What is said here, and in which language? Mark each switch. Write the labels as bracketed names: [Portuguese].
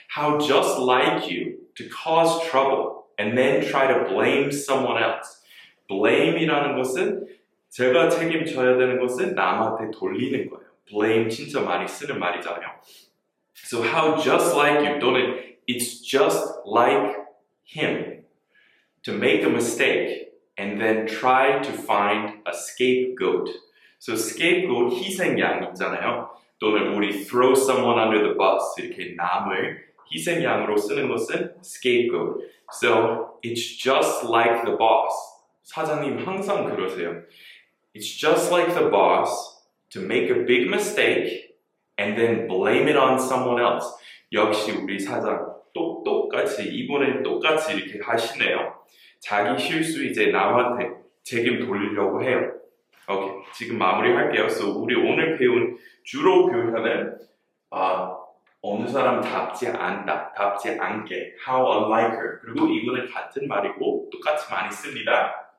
[English] How just like you to cause trouble and then try to blame someone else. [Korean] Blame이라는 것은 제가 책임져야 되는 것은 남한테 돌리는 거예요. Blame 진짜 많이 쓰는 말이잖아요. [English] So how just like you 또는 it's just like him to make a mistake and then try to find a scapegoat. [Korean] So scapegoat 희생양이잖아요. 또는 우리 [English] throw someone under the bus [Korean] 이렇게 남을 희생양으로 쓰는 것은 scapegoat. [English] So it's just like the boss. [Korean] 사장님 항상 그러세요. [English] It's just like the boss to make a big mistake and then blame it on someone else. [Korean] 역시 우리 사장 똑같이 이번엔 똑같이 이렇게 하시네요. 자기 실수 이제 남한테 책임 돌리려고 해요. 오케이 지금 마무리할게요. So 우리 오늘 배운 주로 표현은 어느 사람 답지 않다, 답지 않게 [English] How unlike her [Korean] 그리고 이거는 같은 말이고 똑같이 많이 씁니다.